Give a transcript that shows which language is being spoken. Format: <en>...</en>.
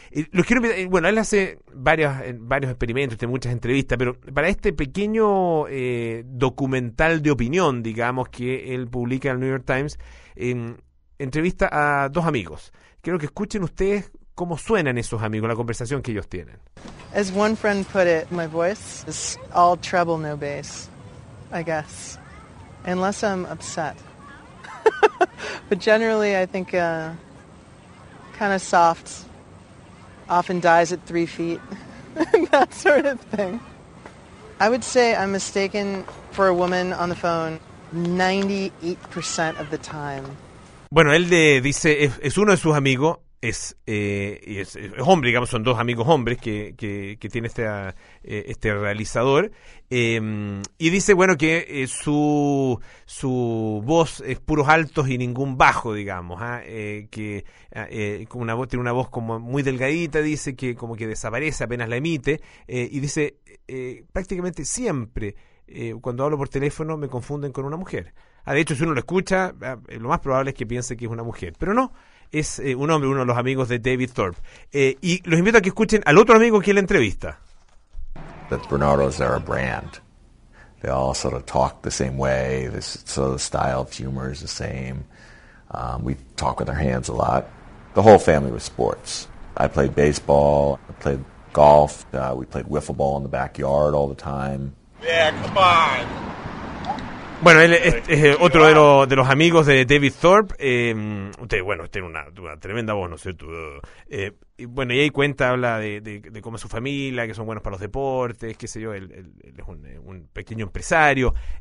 <es>Él hace varios experimentos, tiene muchas entrevistas, pero para este pequeño documental de opinión, digamos, que él publica en el New York Times, entrevista a dos amigos. Quiero que escuchen ustedes cómo suenan esos amigos, la conversación que ellos tienen.</es> <en>As one friend put it, my voice is all trouble, no bass. I guess, unless I'm upset. But generally, I think kind of soft, often dies at 3 feet, that sort of thing. I would say I'm mistaken for a woman on the phone 98% of the time.</en> <es>Bueno, él dice, es uno de sus amigos, es hombre, digamos, son dos amigos hombres que tiene este realizador, y dice, bueno, que su voz es puros altos y ningún bajo, digamos, tiene una voz como muy delgadita, dice, que como que desaparece apenas la emite, y dice, prácticamente siempre cuando hablo por teléfono me confunden con una mujer. De hecho, si uno lo escucha, lo más probable es que piense que es una mujer, pero no. Es un hombre, uno de los amigos de David Thorpe. Y los invito a que escuchen al otro amigo que le entrevista.</es> <en>The Bernardos are a brand. They all sort of talk the same way. This sort of style of humor is the same. We talk with our hands a lot. The whole family was sports. I played baseball. I played golf. We played wiffle ball in the backyard all the time. Yeah, come on.</en> <es>Bueno, él es otro de los amigos de David Thorpe. Usted, bueno, tiene una tremenda voz, ¿no es cierto? Bueno, y ahí cuenta, habla de cómo es su familia, que son buenos para los deportes, qué sé yo, él es un pequeño empresario.</es>